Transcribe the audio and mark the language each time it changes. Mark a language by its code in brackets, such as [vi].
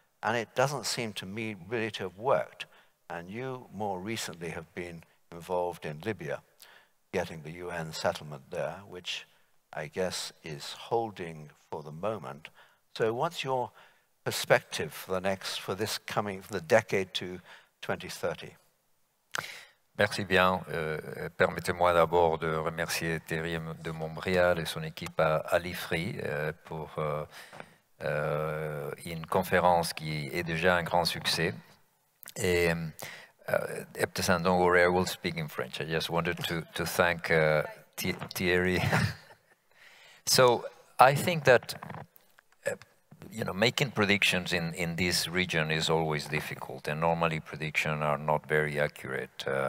[en] And it doesn't seem to me really to have worked. And you more recently have been involved in Libya, getting the UN settlement there, which I guess is holding for the moment. So what's your perspective for the decade to 2030? [fr] Merci bien. Permettez-moi d'abord de remercier Thierry de Montbrial et son équipe à l'IFRI pour une conférence qui est déjà un grand succès. [en] Et Ebtesam, don't worry, I will speak in French. I just wanted to thank Thierry. So I think that making predictions in this region is always difficult, and normally predictions are not very accurate.